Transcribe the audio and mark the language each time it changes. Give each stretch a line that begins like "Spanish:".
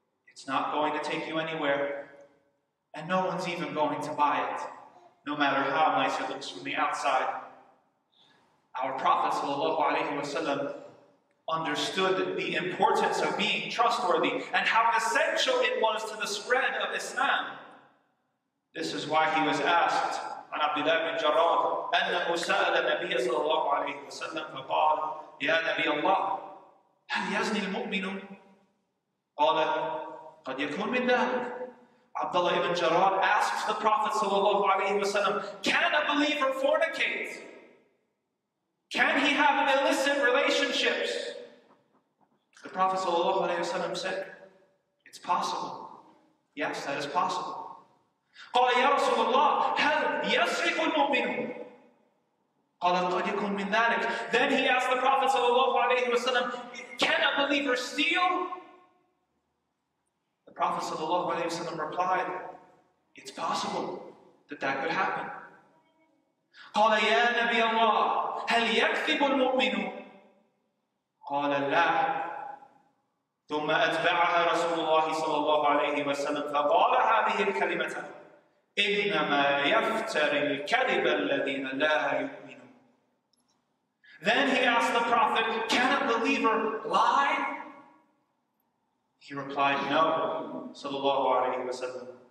English: It's not going to take you anywhere, and no one's even going to buy it, no matter how nice it looks from the outside. Our Prophet sallallahu alaihi wasallam understood the importance of being trustworthy and how essential it was to the spread of Islam.
Arabic: This is why he was asked, عن عبد الله بن جرار أنه سأل النبي صلى الله عليه وسلم فقال يا نبي الله هل يزني المؤمن؟ قال قد يكون من ذلك عبد الله بن جرار
English: asked the Prophet
Arabic: صلى الله عليه وسلم
English: Can a believer fornicate? Can he have illicit relationships? The Prophet صلى الله عليه وسلم said It's possible. Yes, that is possible.
Arabic: قال يا رسول الله هل يسرق المؤمن؟ قال قد يكون من ذلك.
English: Then he asked the Prophet صلى الله عليه وسلم, Can a believer steal? The Prophet صلى الله عليه وسلم replied, It's possible that that could happen.
Arabic: قال يا نبي الله هل يكذب المؤمن؟ قال لا. ثم أتبعها رسول الله صلى الله عليه وسلم فقال هذه الكلمة. إِنَّمَا يَفْتَرِ الْكَذِبَ الَّذِينَ لَا يُؤْمِنُونَ
English: Then he asked the Prophet, Can a believer lie? He replied, No, sallallahu alayhi wa sallam.